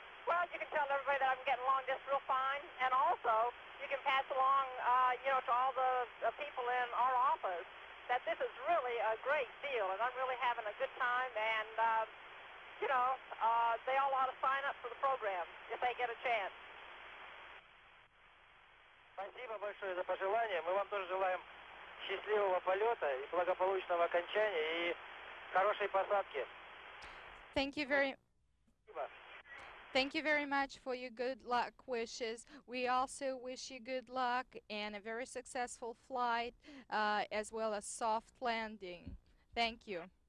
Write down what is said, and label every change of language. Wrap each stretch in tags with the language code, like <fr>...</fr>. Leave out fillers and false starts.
<en>Well, you can tell everybody that I'm getting along just real fine. And also, you can pass along, to all the people in our office that this is really a great deal. And I'm really having a good time. And, they all ought to sign up for the program if they get a chance.</en> <ru>Спасибо большое за пожелание. Мы вам тоже желаем счастливого полета и благополучного окончания и хорошей посадки.</ru> <en>Thank you very much for your good luck wishes. We also wish you good luck and a very successful flight, as well as soft landing. Thank you.</en>